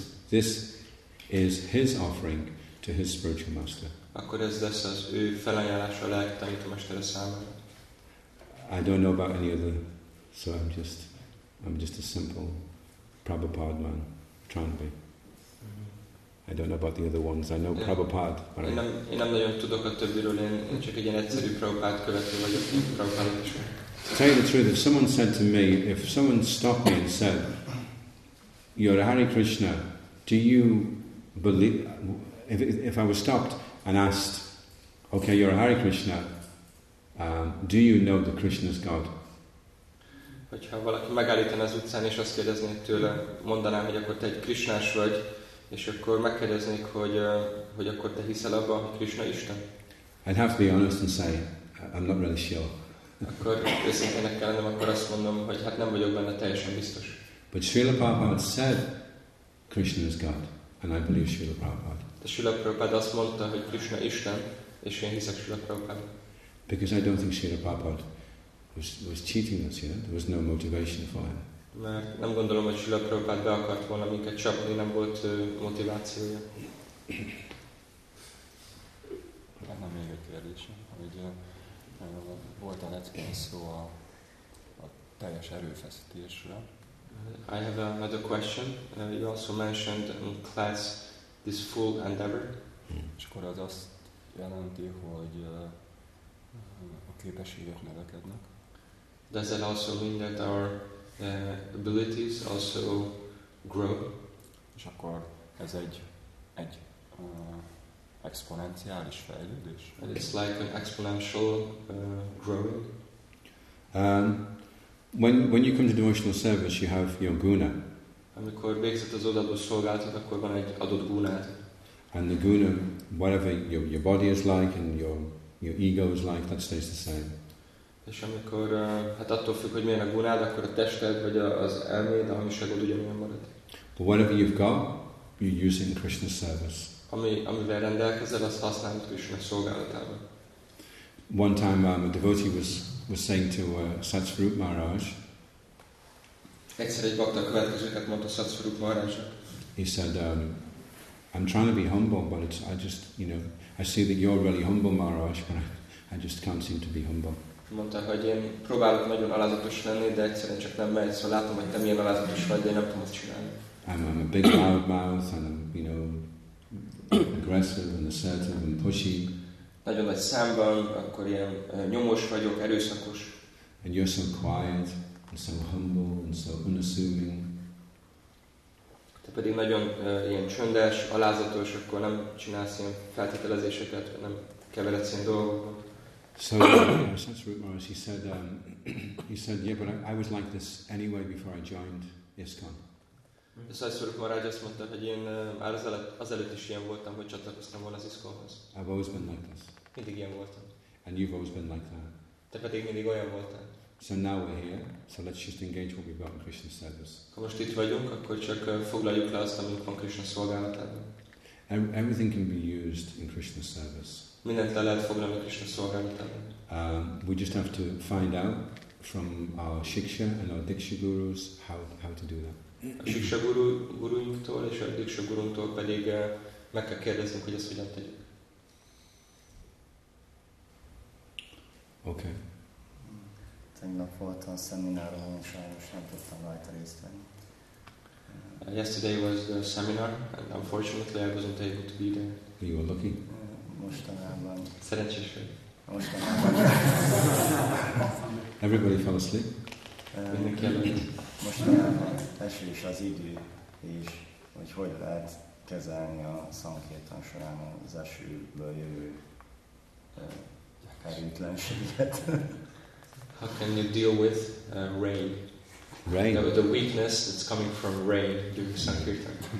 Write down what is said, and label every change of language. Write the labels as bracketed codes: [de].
[en] This is his offering to his spiritual master. [hu] Akkor ez lesz az ő felajánlása a lelki tanító mestere számára. [en] I don't know about any other, so I'm just a simple Prabhupada man trying to be. I don't know about the other ones. I know Prabhupada. [hu] Én nem nagyon tudok a többiről, én csak egy egyszerű Prabhupád követő vagyok, Prabhupád is. [en] To tell you the truth, if someone said to me, if someone stopped me and said, you're Hare Krishna, do you believe, if I was stopped and asked, okay, you're Hare Krishna, do you know that Krishna is God? [hu] Hogyha valaki megállítaná az utcán és azt kérdezné tőle, mondanám, hogy akkor te egy Krishnás vagy, és akkor megkérdeznék, hogy akkor te hiszel abban, hogy Krishna Isten? [en] I'd have to be honest and say, I'm not really sure. [hu] Akkor őszintének kellene, akkor azt mondom, hogy hát nem vagyok benne teljesen biztos. [en] But Srila Prabhupada said, Krishna is God, and I believe Srila Prabhupada. [hu] De Srila Prabhupada azt mondta, hogy Krishna Isten, és én hiszek Srila Prabhupada. [en] Because I don't think Srila Prabhupada was cheating us, you know? There was no motivation for him. [hu] Mert nem gondolom, hogy Srila Prabhupada be akart volna minket csapni, nem volt motivációja. Lenne még egy kérdésem, hogy volt a leckén szó a teljes erőfeszítésre. [en] I have another question. You also mentioned in class this full endeavor. [hu] És akkor az azt jelenti, hogy a képességek növekednek. [en] Does that also mean that our abilities also grow? [hu] És akkor ez egy exponenciális fejlődés? [en] And it's like an exponential growing. When you come to devotional service, you have your guna. [hu] Amikor végzett az odaadó szolgálatot, akkor van egy adott gunát. [en] And the guna, whatever your body is like and your ego is like, that stays the same. [hu] És amikor, hát attól függ, hogy milyen a gunád, akkor a tested vagy az elméd, a hamiságod ugyanilyen marad. [en] But whatever you've got, you use it in Krishna's service. [hu] Amivel rendelkezel, azt használod Krishna szolgálatában. [en] One time a devotee was saying to Satsvarup Maharaj. [hu] Egyszer egy bakta a következőket mondta Satsvarup Maharajnak. [en] He said, I'm trying to be humble, but it's, I just, you know, I see that you're really humble, Maharaj, but I just can't seem to be humble. [hu] Mondta, hogy én próbálok nagyon alázatos lenni, de egyszerűen csak nem megy, szóval látom, hogy te milyen alázatos vagy, de én nem tudom ezt csinálni. [en] I'm a big loud mouth, and I'm, you know, aggressive and assertive and pushy. [hu] Nagyon nagy számban, akkor ilyen nyomós vagyok, erőszakos. [en] And you're so quiet, and so humble, and so unassuming. [hu] Te pedig nagyon ilyen csöndes, alázatos, akkor nem csinálsz ilyen feltételezéseket, nem keveredsz ilyen dolgokat. [en] So, Sanskrit Maharaj, he said, yeah, but I was like this anyway before I joined ISKCON. [hu] Sanskrit Maharaj azt mondta, hogy én már azelőtt is ilyen voltam, hogy csatlakoztam volna az ISKCON-hoz. [en] I've always been like this. [hu] Mindig ilyen voltam. [en] And you've always been like that. [hu] Te pedig mindig olyan voltál. [en] So now we're here, so let's just engage what we've got in Krishna service. [hu] Ha most itt vagyunk, akkor csak foglaljuk le azt, amit van Krishna szolgálatában. [en] Everything can be used in Krishna service. [hu] Mindent le lehet foglalni Krishna szolgálatában. [en] We just have to find out from our Shiksha and our Diksha gurus how to do that. [hu] A Shiksha guruinktól és a Diksha gurunktól pedig meg kell kérdeznünk, hogy ezt hogyan tegyük. [en] Okay. [hu] Tegnap voltam szemináron, és sajnos nem tudtam rajta részt venni. [en] Yesterday was the seminar, and unfortunately I wasn't able to be there. You were lucky. [hu] Mostanában. Szerencsés vagy. Mostanában. [en] Everybody fell asleep. [hu] Mindenki elment. Mostanában eső is az idő, és hogy hogy lehet kezelni a szankirtan során az esőből jövő erőtlenséget. [en] How can you deal with rain? Rain. No, the weakness that's coming from rain during sankirtan.